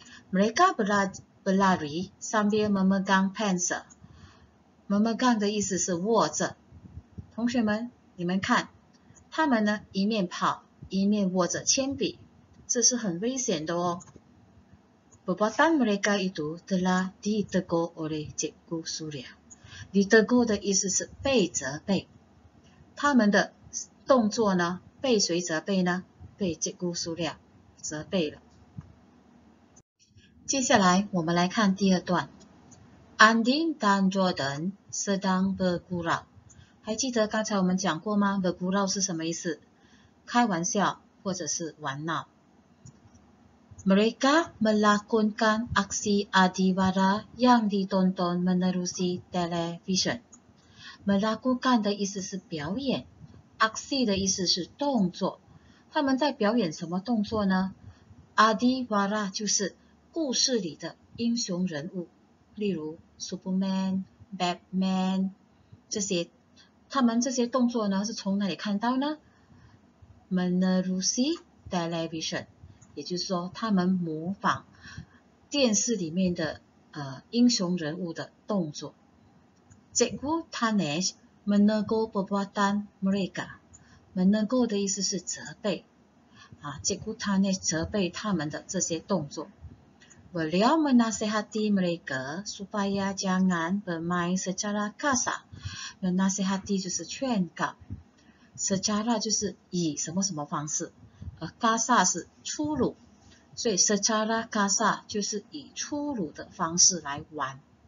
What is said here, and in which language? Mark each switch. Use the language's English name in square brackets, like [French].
[Malay] Mereka berlari sambil memegang pensel. [Chinese] Memegang 的意思是握着。同学们，你们看，他们呢一面跑。一面握着铅笔，这是很危险的哦。 [Malay] Perbuatan mereka itu telah ditegur oleh Cikgu Surya。 [Chinese] Ditegur 的意思是被责备。他们的动作呢，被谁责备呢？被 Cikgu Surya 责备了。接下来我们来看第二段。 [Malay] Andin dan Jordan sedang bergurau。 [Chinese] 还记得刚才我们讲过吗？bergurau 是什么意思？开玩笑或者是玩闹。 [Malay] Mereka melakukan aksi adiwara yang ditonton menerusi televisyen。 [Chinese] Melakukan 的意思是表演，aksi 的意思是动作。他们在表演什么动作呢？adiwara 就是故事里的英雄人物，例如 Superman、Batman 这些。他们这些动作呢，是从哪里看到呢？ [Malay] Menerusi television， [Chinese] 也就是说，他们模仿电视里面的英雄人物的动作。 [Malay] Cikgu Tanej menegur perbuatan mereka，menegur [Chinese] 的意思是责备啊。 Cikgu Tanej 责备他们的这些动作。 [Malay] Beliau menasihati mereka supaya jangan bermain secara kasar，menasihati [Chinese] 就是劝告。 secara 就是以什么什么方式，而 kasar 是粗鲁，所以 secara kasar 就是以粗鲁的方式来玩。